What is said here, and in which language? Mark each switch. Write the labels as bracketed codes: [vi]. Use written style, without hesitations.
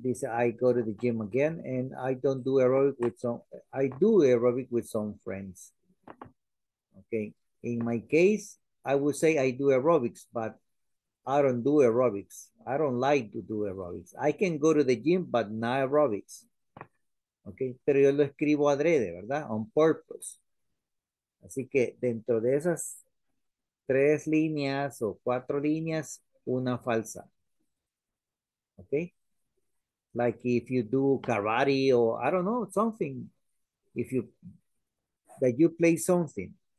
[en] I go to the gym again, and I do aerobic with some friends. Okay, in my case, I would say I do aerobics, but I don't do aerobics. I don't like to do aerobics. I can go to the gym, but not aerobics. [es] Okay, pero yo lo escribo adrede, ¿verdad? [en] On purpose. [es] Así que dentro de esas tres líneas o cuatro líneas, una falsa. [en] Okay, like if you do karate or I don't know, something, that you play something.